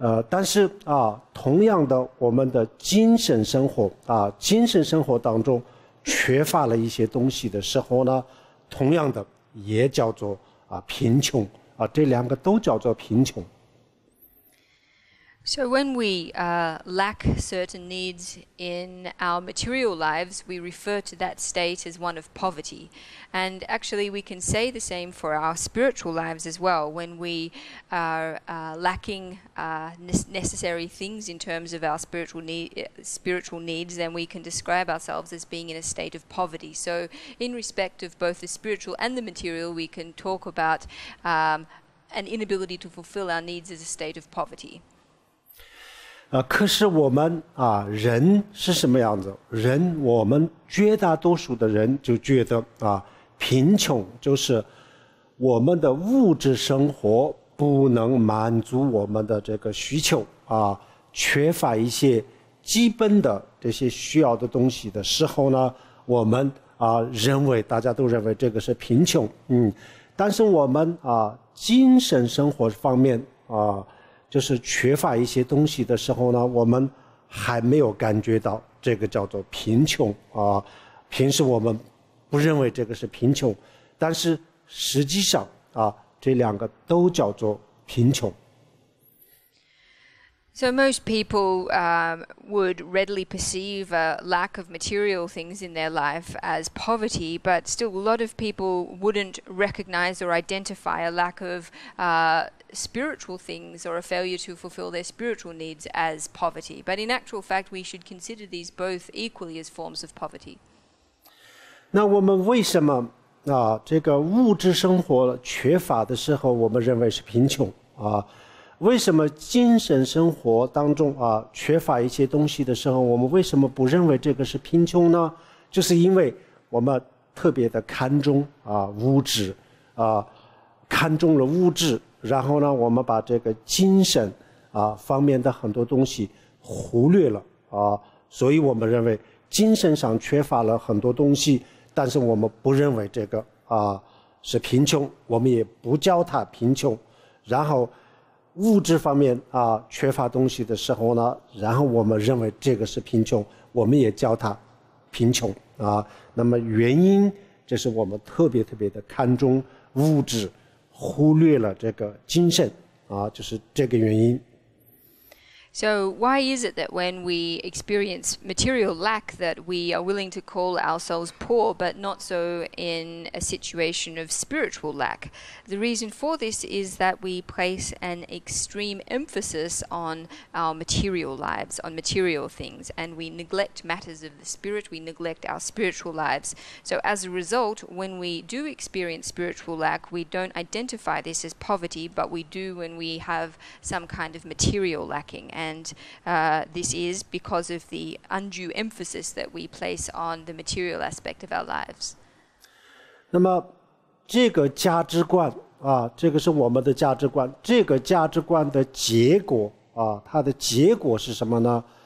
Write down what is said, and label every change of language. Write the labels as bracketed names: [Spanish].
[Chinese] 但是啊，同样的，我们的精神生活啊，精神生活当中缺乏了一些东西的时候呢，同样的。也叫做啊贫穷啊，这两个都叫做贫穷。 [English] So when we lack certain needs in our material lives, we refer to that state as one of poverty. And actually, we can say the same for our spiritual lives as well. When we are lacking necessary things in terms of our spiritual needs, then we can describe ourselves as being in a state of poverty. So in respect of both the spiritual and the material, we can talk about an inability to fulfill our needs as a state of poverty. [Chinese] 可是我们啊，人是什么样子？人，我们绝大多数的人就觉得啊，贫穷就是我们的物质生活不能满足我们的这个需求啊，缺乏一些基本的这些需要的东西的时候呢，我们啊，大家都认为这个是贫穷。但是我们啊，精神生活方面啊。就是缺乏一些东西的时候呢，我们还没有感觉到这个叫做贫穷啊。平时我们不认为这个是贫穷，但是实际上啊，这两个都叫做贫穷。 [English] So most people would readily perceive a lack of material things in their life as poverty, but still a lot of people wouldn't recognize or identify a lack of spiritual things or a failure to fulfill their spiritual needs as poverty. But in actual fact, we should consider these both equally as forms of poverty. [Chinese] 那我们为什么这个物质生活缺乏的时候我们认为是贫穷啊？为什么精神生活当中啊缺乏一些东西的时候，我们为什么不认为这个是贫穷呢？就是因为我们特别的看重啊物质，啊看重了物质，然后呢，我们把这个精神啊方面的很多东西忽略了啊，所以我们认为精神上缺乏了很多东西，但是我们不认为这个啊是贫穷，我们也不叫它贫穷，然后。物质方面啊，缺乏东西的时候呢，然后我们认为这个是贫穷，我们也叫它贫穷啊。那么原因就是我们特别特别的看重物质，忽略了这个精神啊，就是这个原因。 [English] So why is it that when we experience material lack that we are willing to call ourselves poor, but not so in a situation of spiritual lack? The reason for this is that we place an extreme emphasis on our material lives, on material things, and we neglect matters of the spirit, we neglect our spiritual lives. So as a result, when we do experience spiritual lack, we don't identify this as poverty, but we do when we have some kind of material lacking. And this is because of the undue emphasis that we place on the material aspect of our lives. [Chinese] 那么这个价值观啊，这个是我们的价值观。这个价值观的结果啊，它的结果是什么呢？